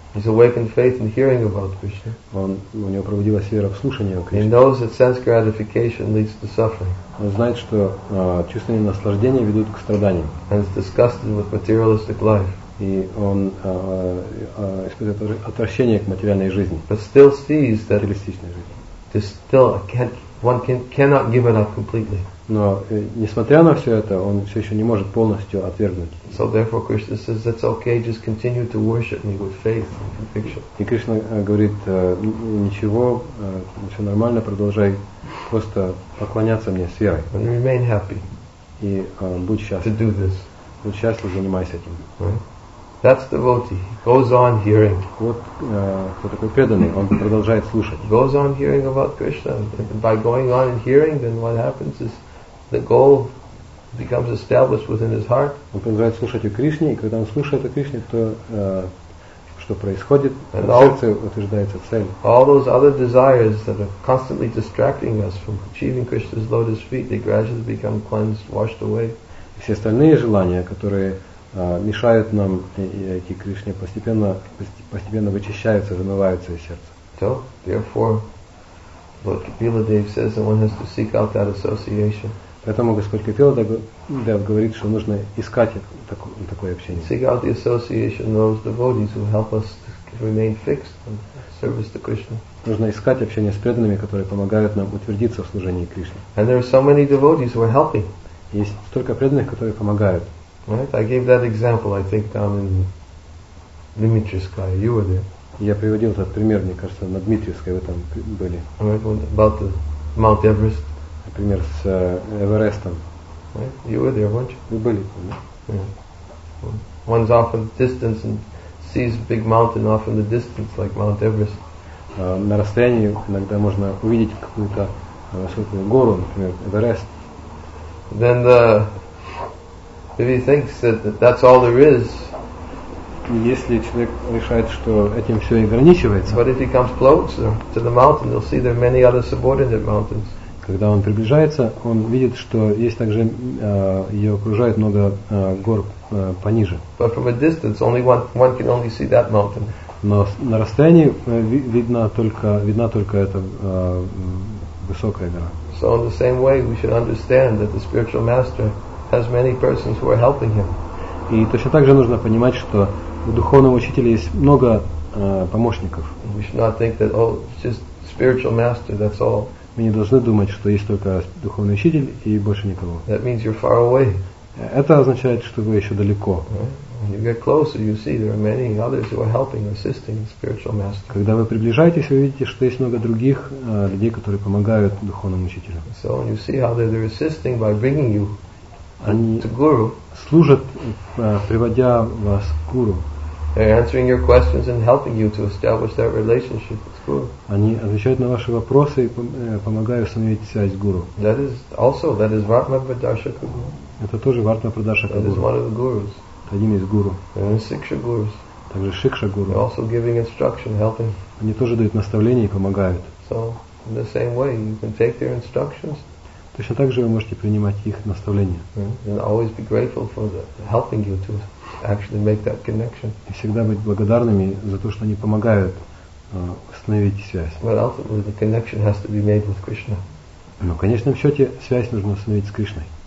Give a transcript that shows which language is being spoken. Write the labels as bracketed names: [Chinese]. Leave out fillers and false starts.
[English] He's awakened faith in hearing about Krishna. [Russian] У него пробудилась вера в слушании о Кришне. [English] He knows that sense gratification leads to suffering. [Russian] Он знает, что чувственные наслаждения ведут к страданиям. [English] And is disgusted with materialistic life. [Russian] И он испытывает отвращение к материальной жизни. [English] But still sees that [Russian] материалистичной жизни. [English] This still cannot give it up completely. [Russian] Но несмотря на все это, он все еще не может полностью отвергнуть. [English] So therefore Krishna says that's okay, just continue to worship me with faith and conviction. [Russian] И Кришна говорит: ничего, все нормально, продолжай просто поклоняться мне с верой. [English] And remain happy. [Russian] И будь счастлив. [English] To do this. [Russian] Будь счастлив, занимайся этим. [English] That's devotee. He goes on hearing. [Russian] Вот кто такой преданный, он продолжает слушать. [English] Goes on hearing about Krishna. And by going on and hearing, then what happens is the goal becomes established within his heart. [Russian] Он продолжает слушать о Кришне, и когда он слушает о Кришне, то что происходит? [English] And [Russian] в сердце утверждается цель. [English] All those other desires that are constantly distracting us from achieving Krishna's lotus feet, they gradually become cleansed, washed away. [Russian] Все остальные желания, которые мешают нам идти к Кришне, постепенно вычищаются, вымываются из сердца. [English] So, therefore, Lord Kapila Dev says that one has to seek out that association. [Russian] Поэтому Господь Капила Дев говорит, что нужно искать такое общение. [English] Seek out the association of those devotees who help us remain fixed in service to Krishna. [Russian] Нужно искать общение с преданными, которые помогают нам утвердиться в служении Кришне. [English] And there are so many devotees who are helping. [Russian] Есть столько преданных, которые помогают. [English] Right? I gave that example, I think, down in Dmitrievskaya. You were there. [Russian] Я приводил этот пример, мне кажется, на Дмитриевской вы там были. [English] Right? About the Mount Everest. [Russian] Например, с Эверестом. [English] Right? You were there, weren't you? [Russian] Вы были. [English] Yeah. One's off in the distance and sees big mountain off in the distance, like Mount Everest. [Russian] На расстоянии иногда можно увидеть какую-то высокую гору, например, Эверест. [English] Then the if he thinks that's all there is, [Russian] если человек решает, что этим все ограничивается, [English] but if he comes closer to the mountain, he'll see there are many other subordinate mountains. [Russian] Когда он приближается, он видит, что есть также ее окружает много гор пониже. [English] But from a distance, only one can only see that mountain. [Russian] Но на расстоянии видна только эта высокая гора. [English] So in the same way, we should understand that the spiritual master has many persons who are helping him. [Russian] И точно так же нужно понимать, что у духовного учителя есть много помощников. [English] We should not think that, oh, it's just spiritual master, that's all. [Russian] Мы не должны думать, что есть только духовный учитель и больше никого. [English] That means you're far away. [Russian] Это означает, что вы еще далеко. [English] When you get closer, you see there are many others who are helping, assisting the spiritual master. [Russian] Когда вы приближаетесь, вы видите, что есть много других людей, которые помогают духовному учителю. [English] So you see how they're assisting by bringing you. [Russian] Они [English] to guru. [Russian] Служат, приводя вас к гуру. [English] They're answering your questions and helping you to establish that relationship with guru. [Russian] Они отвечают на ваши вопросы и помогают установить связь с гуру. [English] That is Vartma Pradarshaka Guru. [Russian] Это тоже Вартма Прадаршака Гуру. [English] That is one of the gurus. [Russian] Это один из гуру. [English] And Сикша Гурус. [Russian] Также Шикша Гуру. [English] They're also giving instruction, helping. [Russian] Они тоже дают наставления и помогают. [English] So in the same way, you can take their instructions. [Russian] Точно так же вы можете принимать их наставления. [English] And always be grateful for helping you to actually make that connection. [Russian] И всегда быть благодарными за то, что они помогают установить связь. [English] But ultimately the connection has to be made with Krishna. [Russian] Но в конечном счете связь нужно установить с Кришной.